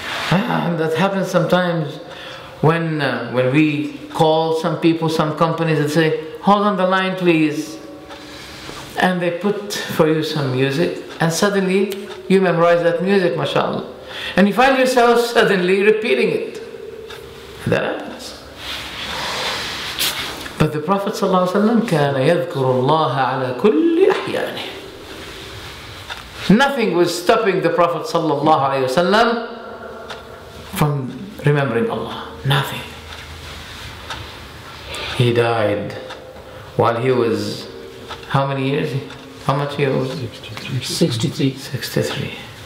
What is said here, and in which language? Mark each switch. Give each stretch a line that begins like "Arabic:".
English: And that happens sometimes when we call some people, some companies, and say, hold on the line, please. And they put for you some music, and suddenly you memorize that music, mashallah. And you find yourself suddenly repeating it. That happens. But the Prophet
Arabic: ﷺ كان يذكر الله على كل أحيانه.
English: Nothing was stopping the Prophet ﷺ from remembering Allah. Nothing. He died while he was, how many years? How much he was? 63.